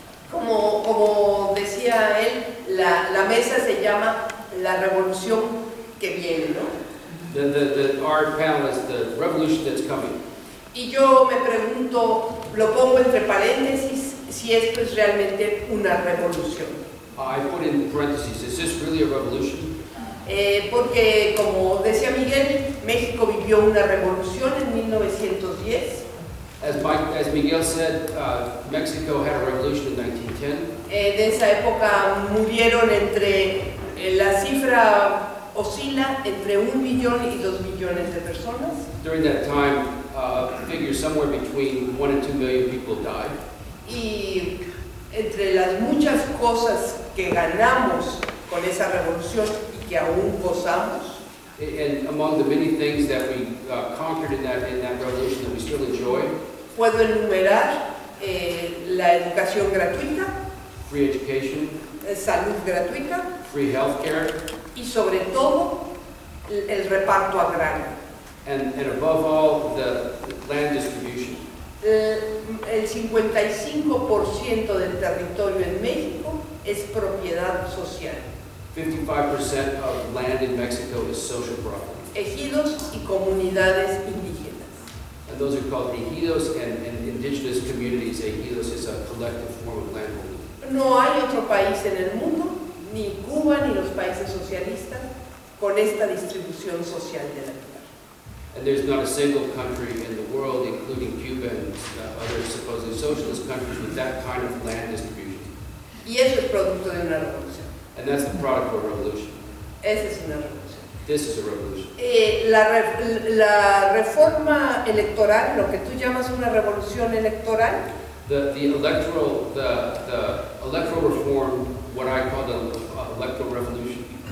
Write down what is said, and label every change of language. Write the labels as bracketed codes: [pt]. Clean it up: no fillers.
[es] Como decía él, la mesa se llama la revolución que viene, ¿no? [en] The our panel is the revolution that's coming. [es] Y yo me pregunto, lo pongo entre paréntesis, si esto es realmente una revolución. [en] I put in parentheses, is this really a revolution? [es] Porque, como decía Miguel, México vivió una revolución en 1910. [en] As Miguel said, Mexico had a revolution in 1910. [es] De esa época murieron entre, la cifra oscila entre [en] 1 million and 2 million [es] de personas. [en] During that time, figures somewhere between 1 and 2 million people died. [es] Y entre las muchas cosas que ganamos con esa revolución, que aún gozamos. [en] And among the many things that we conquered in that revolution that we still enjoy. [es] Puedo enumerar la educación gratuita. [en] Free education. [es] Salud gratuita. [en] Free healthcare. [es] Y sobre todo el reparto agrario. [en] And above all the land distribution. [es] El 55% del territorio en México es propiedad social. [en] 55% of land in Mexico is social property. [es] Ejidos y comunidades indígenas. [en] And those are called ejidos and indigenous communities. Ejidos is a collective form of landholding. [es] No hay otro país en el mundo, ni Cuba ni los países socialistas, con esta distribución social de la tierra. [en] And there's not a single country in the world, including Cuba and other supposedly socialist countries, with that kind of land distribution. [es] Y eso es producto de una revolución. [en] And that's the product of a revolution. [es] Esa es una revolución. [en] This is a revolution. [es] La reforma electoral, lo que tú llamas una revolución electoral. [en] The electoral reform, what I call the electoral revolution.